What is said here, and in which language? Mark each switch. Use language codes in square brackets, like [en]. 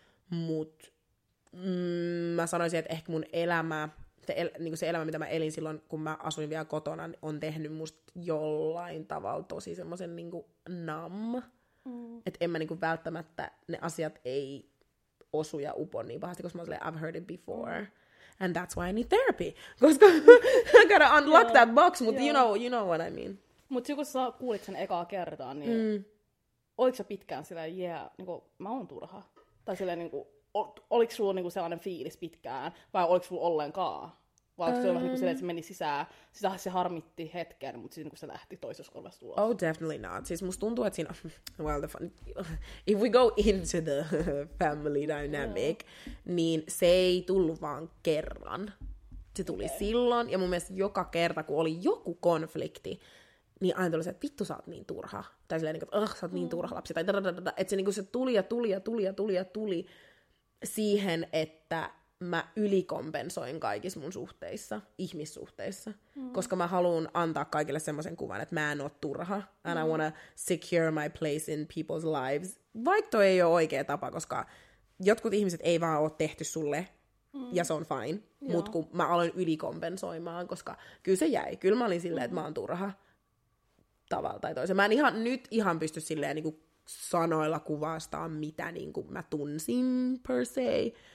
[fi] Mut mä sanoisin, että ehkä mun elämä, niin kuin se elämä, mitä mä elin silloin, kun mä asuin vielä kotona, on tehnyt musta jollain tavalla tosi semmoisen niin kuin numb. Että en mä niin kuin välttämättä, ne asiat ei osu ja upo niin pahasti, koska mä oon silleen, [en] I've heard it before. And that's why I need therapy. [fi] Koska [en] I gotta unlock that box, [fi] mutta [en] you know what I mean. [fi] Mutta silloin, kun sä kuulit sen ekaa kertaa, niin oliko sä pitkään silleen, niin kuin, mä oon turha? Tai silleen, niin kuin... Oliko sulla niinku sellainen fiilis pitkään, vai oliko sulla ollenkaan? Vai oliko sulla niinku silleen, että se meni sisään, se harmitti hetken, mutta sitten niinku se lähti toisessa korvassa tuossa? [en] Oh, definitely not. [fi] Siis musta tuntuu, että siinä... [en] Well, the fun... If we go into the family dynamic, [fi] niin se ei tullut vaan kerran. Se tuli silloin, ja mun mielestä joka kerta, kun oli joku konflikti, niin aina tuli se, että vittu, sä oot niin turha. Tai silleen, että sä oot niin turha lapsi. Että se tuli ja tuli ja tuli ja tuli ja tuli. Siihen, että mä ylikompensoin kaikissa mun suhteissa, ihmissuhteissa. Mm. Koska mä haluan antaa kaikille semmoisen kuvan, että mä en oo turha. [en] And I wanna secure my place in people's lives. [fi] Vaikka toi ei oo oikea tapa, koska jotkut ihmiset ei vaan oo tehty sulle. Ja se on fine. Joo. Mut kun mä aloin ylikompensoimaan, koska kyllä se jäi. Kyllä mä olin silleen, että mä oon turha. Tavalla tai toisen. Mä en ihan, nyt ihan pysty silleen niin kuin sanoilla kuvastaa, mitä niin kuin mä tunsin per se.